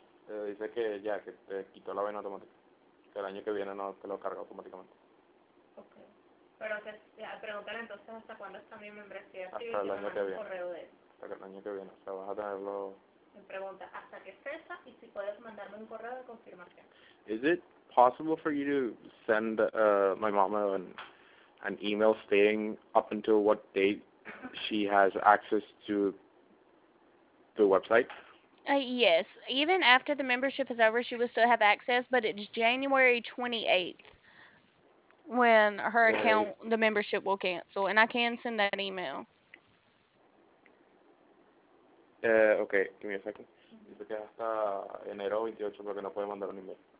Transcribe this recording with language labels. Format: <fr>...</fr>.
<es>Dice que ya, que te quitó la vaina automática. Que el año que viene no te lo carga automáticamente.</es> <en>Okay.</en> <es>Pero pregúntale entonces hasta cuándo está mi membresía. Hasta el año que viene. Hasta el año que viene. O sea, vas a tenerlo. Me pregunta, ¿hasta qué cesa? Y si puedes mandarme un correo de confirmación.</es> <en>Is it possible for you to send my mama an email stating up until what date she has access to the website? Yes. Even after the membership is over, she will still have access, but it's January 28th when her account, the membership will cancel, and I can send that email. Okay, give me a second.</en> <es>Dice que hasta enero 28 porque no puede mandar un email.</es>